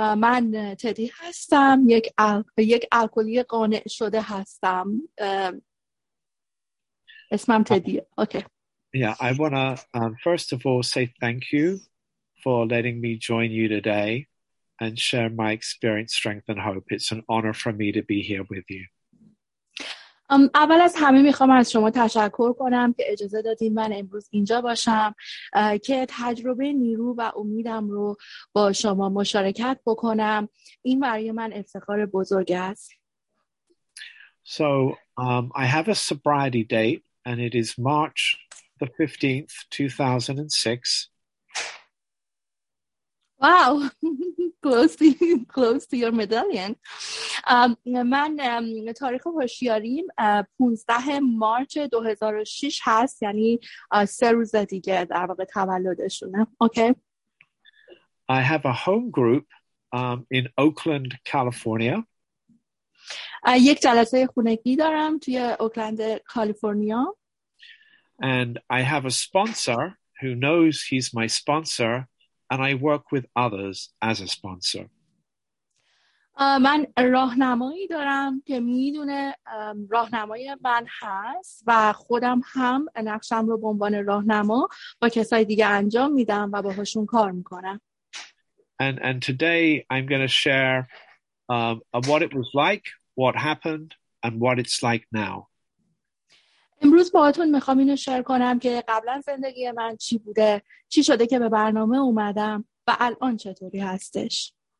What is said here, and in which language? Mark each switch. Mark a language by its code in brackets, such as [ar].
[fa] من تدی هستم، یک الکلی قانع شده هستم. اسمم تدیه. [en] Okay. Yeah, I want to first of all say thank you for letting me join you today and share my experience, strength and hope. It's an honor for me to be here with you. [fa] اول از همه میخوام از شما تشکر کنم که اجازه دادین من امروز اینجا باشم که تجربه نیرو و امیدم رو با شما مشارکت بکنم. این برای من افتخار بزرگ است. [en] So, I have a sobriety date and it is March 15th, 2006. Wow, close to your medallion. [fa] من تاریخ هوشیاریم 15 مارچ 2006 هست، یعنی سه روز دیگه در واقع تولدشونه. [en] Okay. I have a home group in Oakland, California. [fa] یک جلسه خونگی دارم توی اوکلند، کالیفرنیا. [en] And I have a sponsor who knows he's my sponsor, and I work with others as a sponsor. [fa] من راهنمایی دارم که میدونه راهنمای من هست و خودم هم نقشم رو به عنوان راهنما با کسای دیگه انجام میدم و باهاشون کار میکنم. [en] And today I'm going to share what it was like, what happened, and what it's like now. [fa] امروز باهاتون میخوام اینو شیر کنم که قبلا زندگی من چی بوده، چی شده که به برنامه اومدم و الان چطوری هستش.